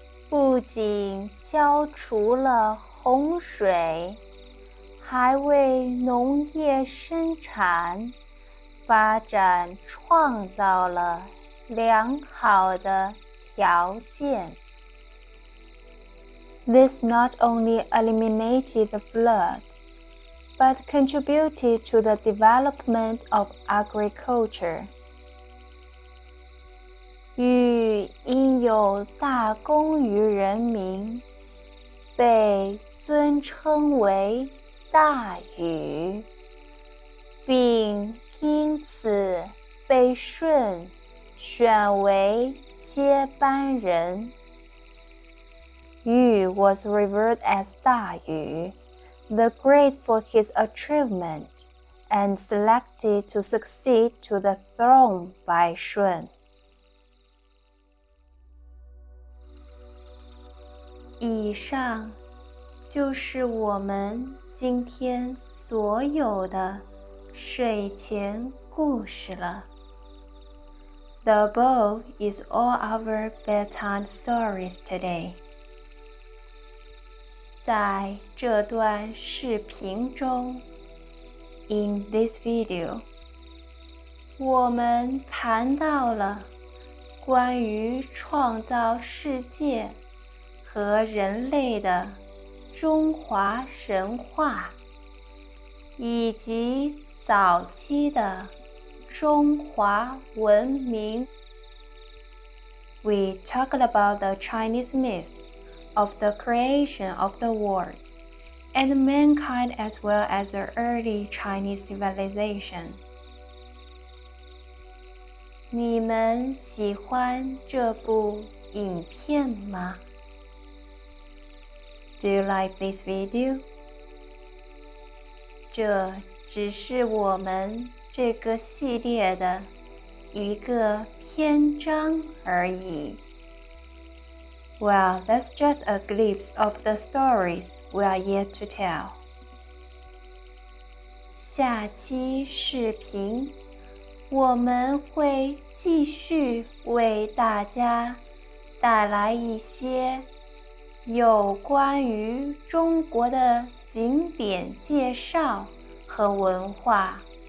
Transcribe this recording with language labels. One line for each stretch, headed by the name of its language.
Chinese: 不仅消除了洪水，还为农业生产发展创造了良好的条件。
English: This not only eliminated the flood, but contributed to the development of agriculture.
Chinese: 禹因有大功于人民，被尊称为大禹，并因此被舜选为接班人。
English: Yu was revered as 大禹, the great for his achievement, and selected to succeed to the throne by Shun.
Chinese: 以上就是我们今天所有的睡前故事了。
English: The above is all our bedtime stories today.
Chinese: 在这段视频中
English: In this video,
Chinese: 我们谈到了关于创造世界和人类的中华神话以及早期的中华文明。
English: We talked about the Chinese myths. Of the creation of the world and mankind as well as the early Chinese civilization.
Chinese: 你们喜欢这部影片吗?
English: Do you like this video?
Chinese: 这只是我们这个系列的一个篇章而已。
English: Well, that's just a glimpse of the stories we are yet to tell.
Chinese: 下期视频，我们会继续为大家带来一些有关于中国的景点介绍和文化。